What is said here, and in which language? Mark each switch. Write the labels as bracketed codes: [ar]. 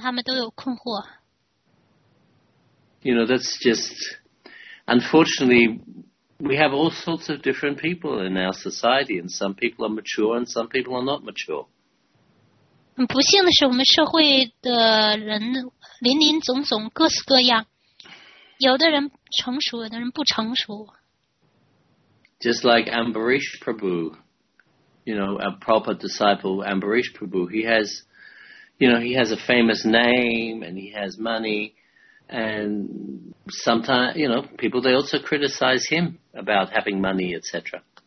[zh] 那么就是这些新奉献者呢，涉及到金钱和涉及到有钱人，他们都有困惑。 [en] You know, that's just, unfortunately, we have all sorts of different people in our society, and some people are mature and some people are not mature. [zh] 不幸的是我们社会的人林林总总，各式各样，有的人成熟，有的人不成熟。 [en] Just like Ambarish Prabhu, you know, our proper disciple Ambarish Prabhu, he has a famous name and he has money, and sometimes, you know, people, they also criticize him about having money, etc.